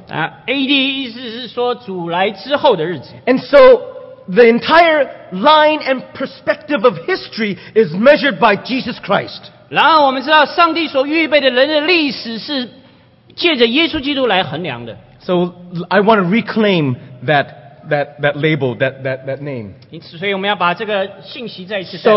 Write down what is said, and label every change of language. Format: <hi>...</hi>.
<zh>AD 意思是说主来之后的日子。</zh> <en>And so the entire line and perspective of history is measured by Jesus Christ.</en> <zh>然后我们知道上帝所预备的人的历史是借着耶稣基督来衡量的。</zh> <en>So I want to reclaim that label, that name.</en> <zh>因此所以我们要把这个信息再一次带来。</zh>